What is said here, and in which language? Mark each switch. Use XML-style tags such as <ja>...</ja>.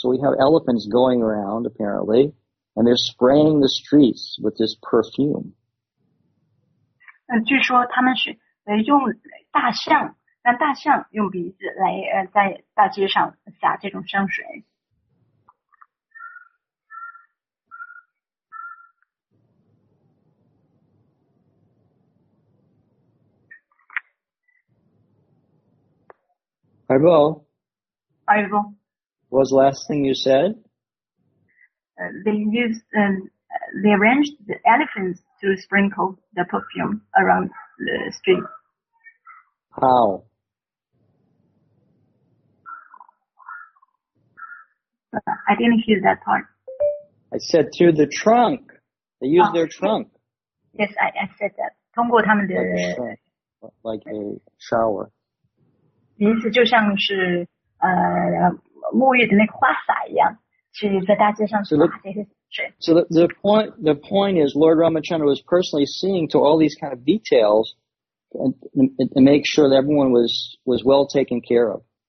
<en>So we have elephants going around, apparently, and they're spraying the streets with this perfume.</en> <zh>据说他们是用大象，让大象用鼻子来在大街上撒这种香水。</zh> <en>Arbo, Arbo, what was the last thing you said? They arranged the elephants to sprinkle the perfume around the street. How? I didn't hear that part. I said through the trunk. They used their trunk. Yes, I said that.</en> <zh>通过他们的</zh> <en>like a shower.</en> <zh>意思就像是沐浴的那个花洒一样，去在大街上撒这些水。</zh> <en>So the point is, Lord Ramachandra was personally seeing to all these kind of details, and make sure that everyone was well taken care of.</en>